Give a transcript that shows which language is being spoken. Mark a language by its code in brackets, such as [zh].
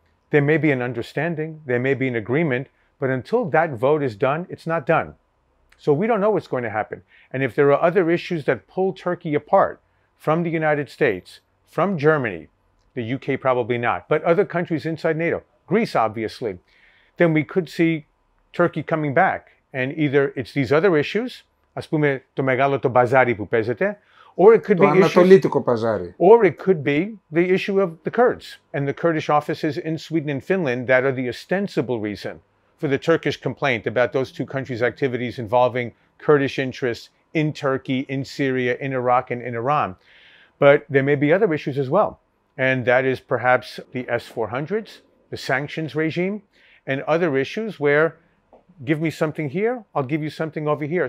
[en] There may be an understanding, there may be an agreement, but until that vote is done, it's not done. So we don't know what's going to happen. And if there are other issues that pull Turkey apart from the United States, from Germany, the UK probably not, but other countries inside NATO, Greece obviously, then we could see Turkey coming back. And either it's these other issues, [el] ας πούμε το μεγάλο το μπαζάρι που παίζεται, [en] or it could be [el] ανατολίτικο μπαζάρι. [en] Or it could be the issue of the Kurds and the Kurdish offices in Sweden and Finland that are the ostensible reason for the Turkish complaint about those two countries' activities involving Kurdish interests in Turkey, in Syria, in Iraq, and in Iran. But there may be other issues as well. And that is perhaps the S-400s, the sanctions regime, and other issues where, give me something here, I'll give you something over here.